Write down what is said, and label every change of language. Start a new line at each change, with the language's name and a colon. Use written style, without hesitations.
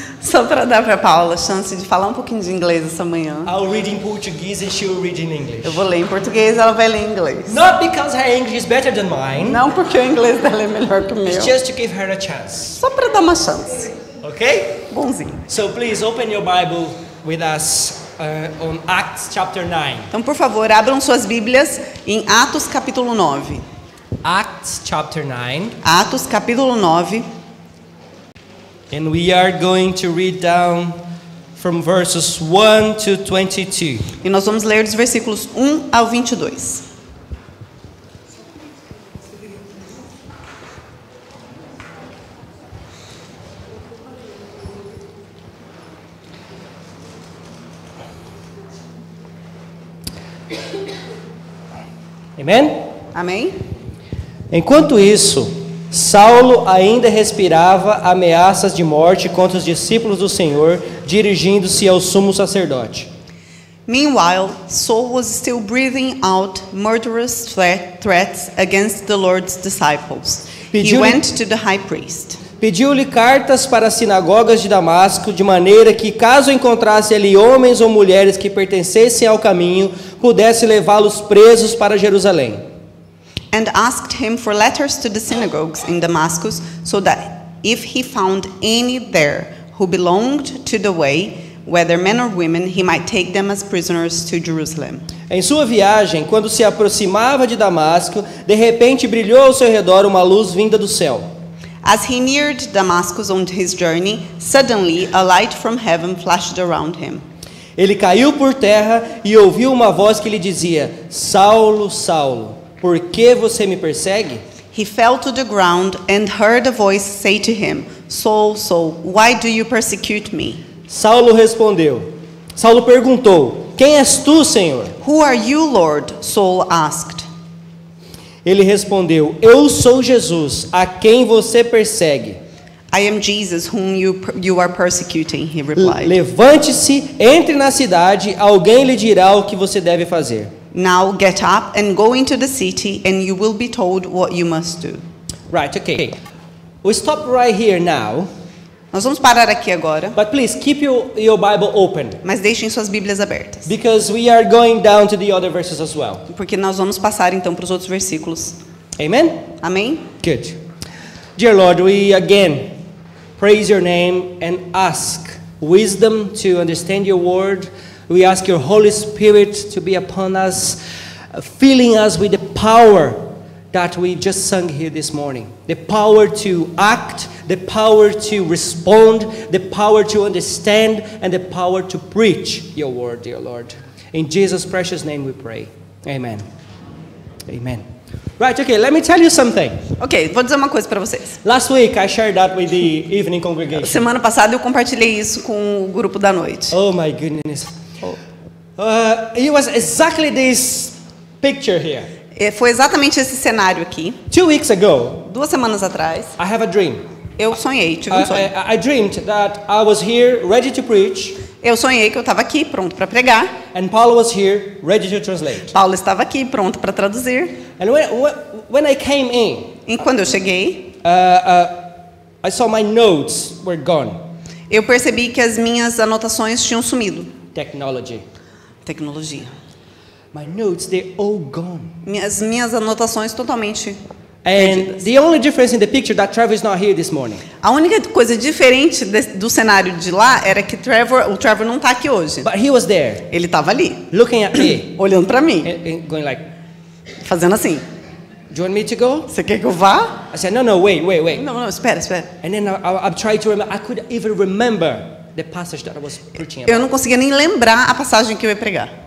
Portuguese: Só para dar para Paula a chance de falar um pouquinho de inglês essa manhã.
English: I'll read in Portuguese and she'll read in English.
Portuguese: Eu vou ler em português e ela vai ler em inglês.
English: Not because her English is better than mine.
Portuguese: Não porque o inglês dela é melhor que o meu.
English: It's just to give her a chance.
Portuguese: Só para dar uma chance.
English: Okay?
Portuguese: Bonzinho.
English: So please open your Bible with us on Acts chapter 9.
Portuguese: Então, por favor, abram suas Bíblias em Atos capítulo 9.
English: Acts chapter 9.
Portuguese: Atos capítulo 9.
English: And we are going to read down from verses 1 to 22.
Portuguese: E nós vamos ler dos versículos 1 ao 22. Amém? Amém. Enquanto isso, Saulo ainda respirava ameaças de morte contra os discípulos do Senhor, dirigindo-se ao sumo sacerdote.
English: Meanwhile, Saul was still breathing out murderous threats against the Lord's disciples. He went to the high priest.
Portuguese: Pediu-lhe cartas para as sinagogas de Damasco, de maneira que, caso encontrasse ali homens ou mulheres que pertencessem ao caminho, pudesse levá-los presos para Jerusalém.
English: And asked him for letters to the synagogues in Damascus, so that if he found any there who belonged to the way, whether men or women, he might take them as prisoners to Jerusalem.
Portuguese: Em sua viagem, quando se aproximava de Damasco, de repente brilhou ao seu redor uma luz vinda do céu.
English: As he neared Damascus on his journey, suddenly a light from heaven flashed around him.
Portuguese: Ele caiu por terra e ouviu uma voz que lhe dizia: Saulo, Saulo, por que você me persegue?
English: He fell to the ground and heard a voice say to him: Saul, Saul, why do you persecute me?
Portuguese: Saulo respondeu. Saulo perguntou: Quem és tu, Senhor?
English: Who are you, Lord? Saul asked.
Portuguese: Ele respondeu: Eu sou Jesus, a quem você persegue.
English: I am Jesus, whom you are persecuting, he replied.
Portuguese: Levante-se, entre na cidade, alguém lhe dirá o que você deve fazer.
English: Now get up and go into the city, and you will be told what you must do. Right, okay. We'll stop right here now.
Portuguese: Nós vamos parar aqui agora.
English: But please keep your Bible open.
Portuguese: Mas deixem suas Bíblias abertas.
English: Because we are going down to the other verses as well.
Portuguese: Porque nós vamos passar então para os outros versículos.
English: Amen.
Portuguese: Amém.
English: Good. Dear Lord, we again praise your name and ask wisdom to understand your word. We ask your Holy Spirit to be upon us, filling us with the power that we just sung here this morning. The power to act, the power to respond, the power to understand, and the power to preach your word, dear Lord. In Jesus' precious name we pray. Amen. Amen. Right, okay, let me tell you something.
Portuguese: Okay, vou dizer uma coisa para vocês.
English: Last week I shared that with the evening congregation.
Portuguese: Semana passada eu compartilhei isso com o grupo da noite.
English: Oh my goodness. Oh. It was exactly this picture here.
Portuguese: Foi exatamente esse cenário aqui.
English: 2 weeks ago,
Portuguese: duas semanas atrás,
English: I have a dream.
Portuguese: Eu sonhei, tive um sonho.
English: I dreamed that I was here, ready to preach.
Portuguese: Eu sonhei que eu estava aqui, pronto para pregar.
English: And Paul was here, ready to translate.
Portuguese: Paulo estava aqui, pronto para traduzir.
English: And when I came in,
Portuguese: e quando eu cheguei,
English: I saw my notes were gone.
Portuguese: Eu percebi que as minhas anotações tinham sumido.
English: Technology.
Portuguese: Tecnologia.
English: My notes, they're all gone.
Portuguese: Minhas anotações totalmente.
English: And the only difference in the picture that Trevor is not here this morning.
Portuguese: A única coisa diferente do cenário de lá era que o Trevor não está aqui hoje.
English: But he was there.
Portuguese: Ele estava ali.
English: Looking at me.
Portuguese: Olhando para mim.
English: And going like.
Portuguese: Fazendo assim.
English: Do you want me to go?
Portuguese: Você quer que eu vá?
English: I said no, wait.
Portuguese: Não, espera.
English: And then I tried to remember. I could even remember the passage that I was preaching about.
Portuguese: Eu não conseguia nem lembrar a passagem que eu ia pregar.